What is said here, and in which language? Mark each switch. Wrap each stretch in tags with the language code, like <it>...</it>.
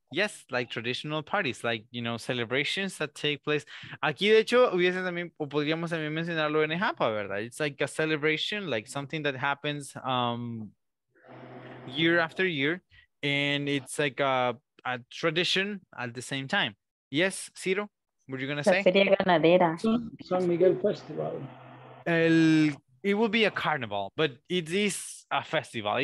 <en>Yes, like traditional parties, like, you know, celebrations that take place.</en> <es>Aquí, de hecho, hubiese también, o podríamos también mencionarlo en Japa, ¿verdad?</es> <en>It's like a celebration, like something that happens year after year, and it's like a tradition at the same time. Yes, Ciro, what are you going to say?</en> <es>La Feria Ganadera.</es> <en>San Miguel Festival. It will be a carnival, but it is a festival.</en>